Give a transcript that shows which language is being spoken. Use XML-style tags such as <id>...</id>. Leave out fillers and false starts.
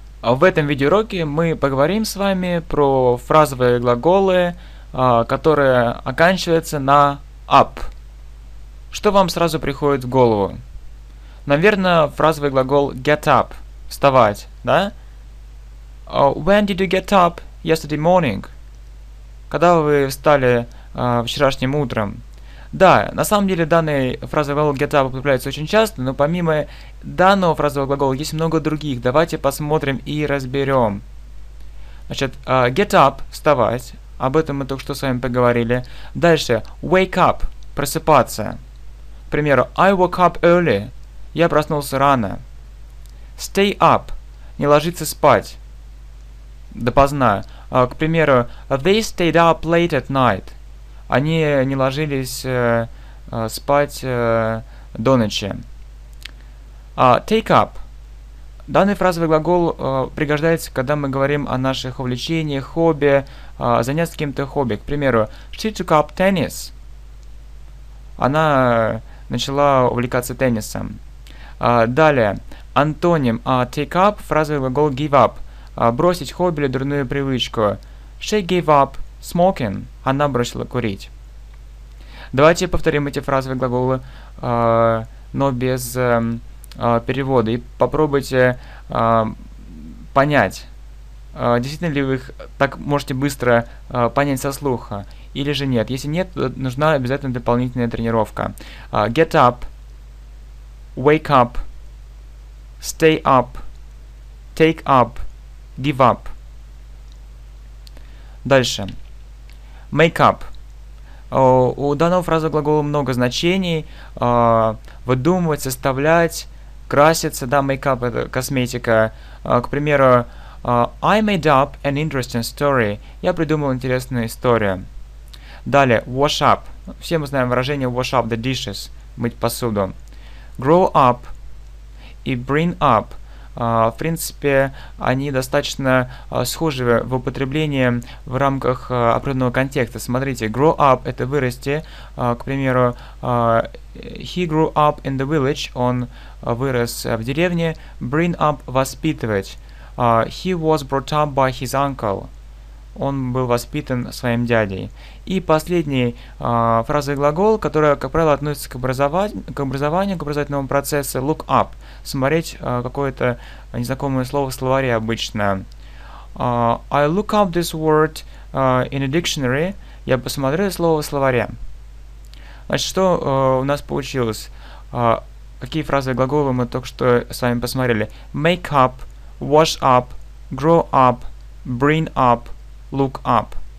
<ru>В этом видеоуроке мы поговорим с вами про фразовые глаголы, которые оканчиваются на -ап. Что вам сразу приходит в голову? Наверное, фразовый глагол get up – вставать, да?</ru> <en>When did you get up yesterday morning?</en> <ru>Когда вы встали вчерашним утром? Да, на самом деле данный фразовый глагол get up появляется очень часто, но помимо данного фразового глагола есть много других. Давайте посмотрим и разберем. Значит, get up – вставать. Об этом мы только что с вами поговорили. Дальше, wake up – просыпаться. К примеру,</ru> <en>I woke up early</en> <ru>– я проснулся рано. Stay up – не ложиться спать допоздна. К примеру,</ru> <en>they stayed up late at night.</en> <ru>Они не ложились спать до ночи.</ru> <en>Take up.</en> <ru>Данный фразовый глагол пригождается, когда мы говорим о наших увлечениях, хобби, заняться каким-то хобби. К примеру,</ru> <en>she took up tennis.</en> <ru>Она начала увлекаться теннисом. Далее, антоним take up, фразовый глагол give up. Бросить хобби или дурную привычку.</ru> <en>She gave up smoking.</en> <ru>Она бросила курить. Давайте повторим эти фразовые глаголы, но без перевода. И попробуйте понять, действительно ли вы их так можете быстро понять со слуха, или же нет. Если нет, то нужна обязательно дополнительная тренировка.</ru> <en>Get up, wake up, stay up, take up, give up.</en> <ru>Дальше.</ru> <en>Make up.</en> <ru>У данного фразового глагола много значений. Выдумывать, составлять, краситься, да, make up – это косметика. К примеру,</ru> <en>I made up an interesting story.</en> <ru>Я придумал интересную историю. Далее,</ru> <en>wash up.</en> <ru>Все мы знаем выражение</ru> <en>wash up the dishes</en> <ru>– мыть посуду.</ru> <en>Grow up</en> <ru>и</ru> <en>bring up.</en> <ru>В принципе, они достаточно схожи в употреблении в рамках определенного контекста. Смотрите, grow up – это вырасти. К примеру,</ru> <en>he grew up in the village</en> <ru>– он вырос в деревне.</ru> <en>Bring up –</en> <ru>воспитывать.</ru> <en>He was brought up by his uncle –</en> <ru>он был воспитан своим дядей. И последний фразовый глагол, который, как правило, относится к образовательному процессу – look up. Смотреть какое-то незнакомое слово в словаре обычно.</ru> <en>I look up this word in a dictionary.</en> <ru>Я посмотрю слово в словаре. Значит, что у нас получилось? Какие фразовые глаголы мы только что с вами посмотрели?</ru> <en>Make up, wash up, grow up, bring up, look up.</en>